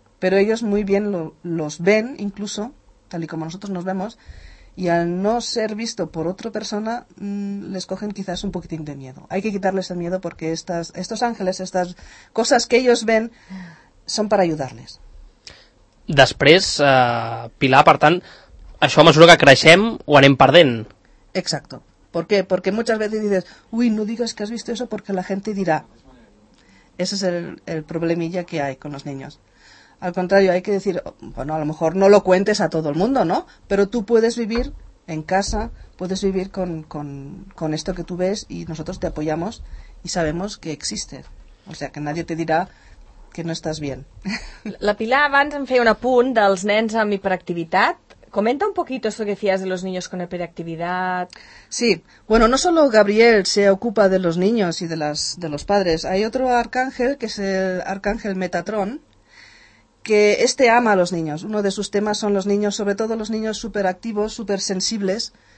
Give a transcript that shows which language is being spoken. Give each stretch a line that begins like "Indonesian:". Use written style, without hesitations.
Spanish: Pero ellos muy bien los ven, incluso, tal y como nosotros nos vemos, y al no ser visto por otra persona, les cogen quizás un poquitín de miedo. Hay que quitarles el miedo porque estos ángeles, estas cosas que ellos ven, son para ayudarles.
Catalan: Després, Pilar, per tant, això a mesura que creixem ho anem perdent.
Spanish: Exacto. ¿Por qué? Porque muchas veces dices, uy, no digas que has visto eso porque la gente dirá. Ese es el problemilla que hay con los niños. Al contrario, hay que decir, bueno, a lo mejor no lo cuentes a todo el mundo, ¿no? Pero tú puedes vivir en casa, puedes vivir con esto que tú ves y nosotros te apoyamos y sabemos que existe. O sea, que nadie te dirá que no estàs bien.
Catalan: La Pilar abans em feia un apunt dels nens amb hiperactivitat.
Spanish: Comenta un poquito esto que decías de los niños con hiperactividad. Sí, bueno, no solo Gabriel se ocupa de los niños y de los padres. Hay otro arcángel, que es el arcángel Metatrón, que este ama a los niños. Uno de sus temas son los niños, sobre todo los niños superactivos, supersensibles.